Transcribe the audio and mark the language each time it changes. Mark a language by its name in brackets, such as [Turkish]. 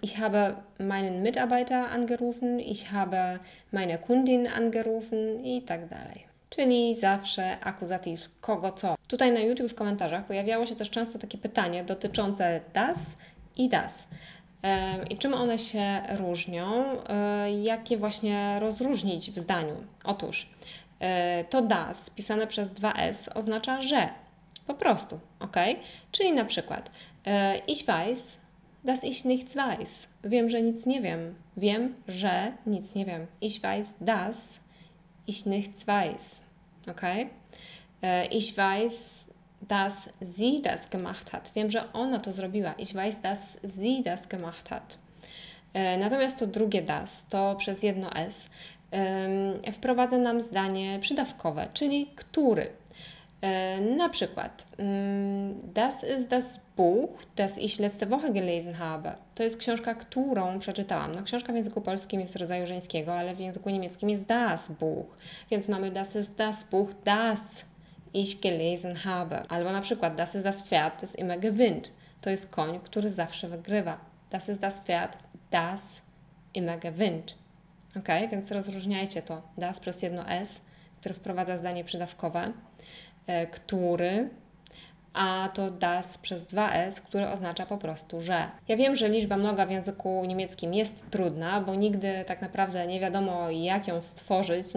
[German] Ich habe meinen Mitarbeiter angerufen. Ich habe meine Kundin angerufen [Polish] i tak dalej. Czyli zawsze akuzativ kogo co. Tutaj na YouTube w komentarzach pojawiało się też często takie pytanie dotyczące das i das. I czym one się różnią? Jak je właśnie rozróżnić w zdaniu? Otóż to das, pisane przez 2s, oznacza że. Po prostu, ok? Czyli na przykład [German] ich weiß, dass ich nichts weiß. [Polish] Wiem, że nic nie wiem. Wiem, że nic nie wiem. [German] Ich weiß, dass ich nichts weiß. Ok? Ich weiß, dass sie das gemacht hat. [Polish] Wiem, że ona to zrobiła. [German] Ich weiß, dass sie das gemacht hat. [Polish] Natomiast to drugie das, to przez jedno s, wprowadza nam zdanie przydawkowe, czyli który. Na przykład [German] das ist das Buch, das ich letzte Woche gelesen habe. [Polish] To jest książka, którą przeczytałam. No, książka w języku polskim jest rodzaju żeńskiego, ale w języku niemieckim jest das Buch. Więc mamy [German] das ist das Buch, das ich gelesen habe. [Polish] Albo na przykład [German] das ist das Pferd, das immer gewinnt. [Polish] To jest koń, który zawsze wygrywa. [German] Das ist das Pferd, das immer gewinnt. [Polish] Ok, więc rozróżniajcie to. Das plus jedno s, które wprowadza zdanie przydawkowe. Który, a to das przez 2s, które oznacza po prostu, że. Ja wiem, że liczba mnoga w języku niemieckim jest trudna, bo nigdy tak naprawdę nie wiadomo, jak ją stworzyć.